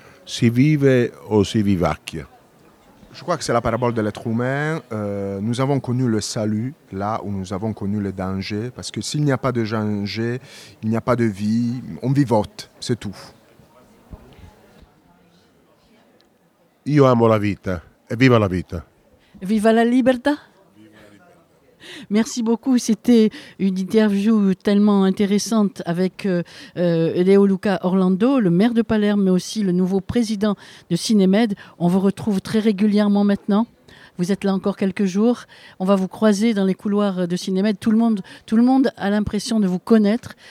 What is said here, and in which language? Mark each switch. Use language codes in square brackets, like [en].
[it] Si vive o si vivacchia. [fr] Je crois que c'est la parabole de l'être humain. Nous avons connu le salut là où nous avons connu le danger. Parce que s'il n'y a pas de danger, il n'y a pas de vie, on vivote, c'est tout. [it] Io amo la vita e viva la vita. Viva la libertà. [fr] Merci beaucoup, c'était une interview tellement intéressante avec Léo Luca Orlando, le maire de Palerme, mais aussi le nouveau président de Cinemed. On vous retrouve très régulièrement maintenant, vous êtes là encore quelques jours, on va vous croiser dans les couloirs de Cinemed, tout le monde a l'impression de vous connaître.